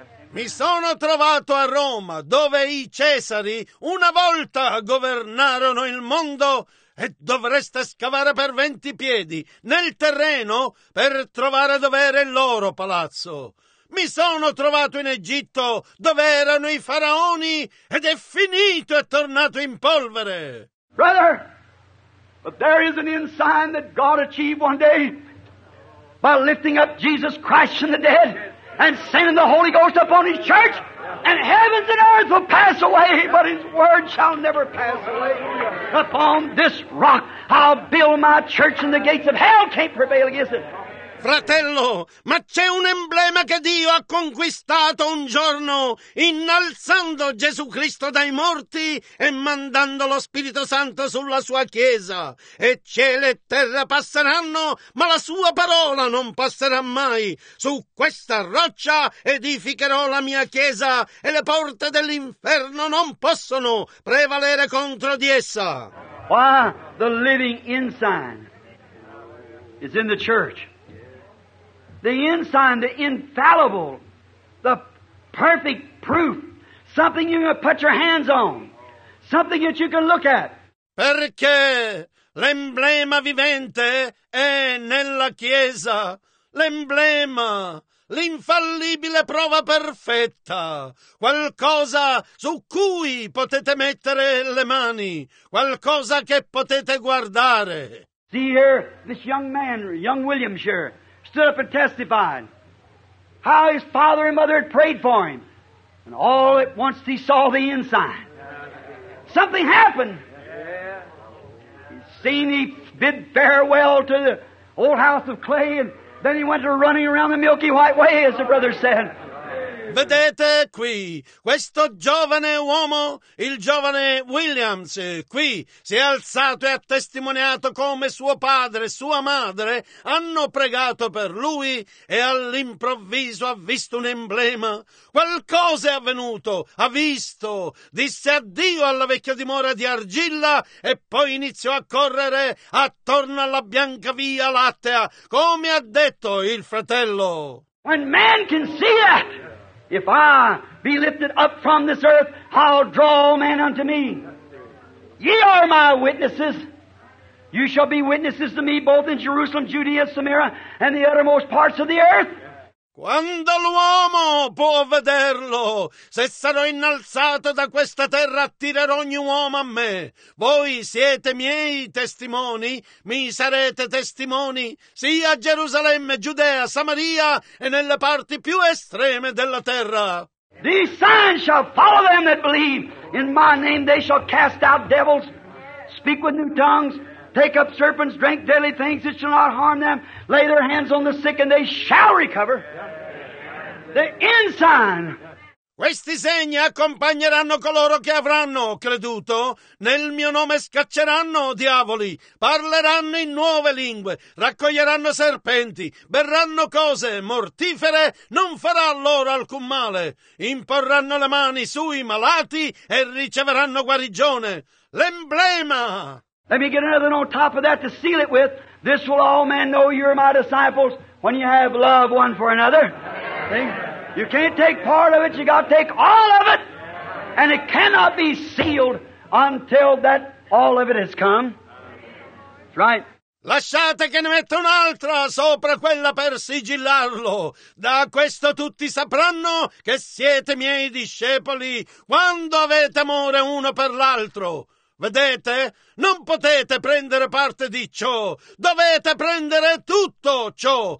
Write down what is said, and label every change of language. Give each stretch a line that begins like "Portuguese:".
Italian: Mi sono trovato a Roma, dove i Cesari una volta governarono il mondo, e dovreste scavare per 20 piedi nel terreno per trovare dove era il loro palazzo. Mi sono trovato in Egitto, dove erano i faraoni, ed è finito, è tornato in polvere.
English: Brother, but there is an ensign that God achieved one day by lifting up Jesus Christ from the dead and sending the Holy Ghost upon His church, and heavens and earth will pass away, but His word shall never pass away. Upon this rock I'll build my church, and the gates of hell can't prevail against it.
Italian: Fratello, ma c'è un emblema che Dio ha conquistato un giorno, innalzando Gesù Cristo dai morti e mandando lo Spirito Santo sulla sua Chiesa. E cielo e terra passeranno, ma la sua parola non passerà mai. Su questa roccia edificherò la mia Chiesa, e le porte dell'inferno non possono prevalere contro di essa.
English: Why the living ensign is in the church. The ensign, the infallible, the perfect proof, something you can put your hands on, something that you can look at.
Italian: Perché l'emblema vivente è nella Chiesa, l'emblema, l'infallibile prova perfetta, qualcosa su cui potete mettere le mani, qualcosa che potete guardare.
English: See here, this young man, young William, sure. Stood up and testified how his father and mother had prayed for him. And all at once he saw the ensign. Something happened. He'd seen, he bid farewell to the old house of clay, and then he went to running around the Milky White Way, as the brother said.
Italian: Vedete qui, questo giovane uomo, il giovane Williams, qui si è alzato e ha testimoniato come suo padre e sua madre hanno pregato per lui, e all'improvviso ha visto un emblema. Qualcosa è avvenuto, ha visto, disse addio alla vecchia dimora di argilla e poi iniziò a correre attorno alla bianca via lattea, come ha detto il fratello.
English: When man can see that. If I be lifted up from this earth, I'll draw all men unto me. Ye are my witnesses. You shall be witnesses to me both in Jerusalem, Judea, Samaria, and the uttermost parts of the earth.
Italian: Quando l'uomo può vederlo, se sarò innalzato da questa terra, attirerò ogni uomo a me. Voi siete miei testimoni, mi sarete testimoni, sia a Gerusalemme, Giudea, Samaria e nelle parti più estreme della terra.
English: These signs shall follow them that believe. In my name they shall cast out devils, speak with new tongues, take up serpents, drink deadly things that shall not harm them, lay their hands on the sick and they shall recover. The end sign.
Italian: Questi segni accompagneranno coloro che avranno creduto. Nel mio nome scacceranno diavoli, parleranno in nuove lingue, raccoglieranno serpenti, berranno cose mortifere, non farà loro alcun male. Imporranno le mani sui malati e riceveranno guarigione. L'emblema!
English: Let me get another on top of that to seal it with. This will all men know you're my disciples when you have love one for another. See? You can't take part of it, you got to take all of it. And it cannot be sealed until that all of it has come. That's right.
Italian: Lasciate che ne metta un'altra sopra quella per sigillarlo. Da questo tutti sapranno che siete miei discepoli quando avete amore uno per l'altro. Vedete? Non potete prendere parte di ciò. Dovete prendere tutto ciò.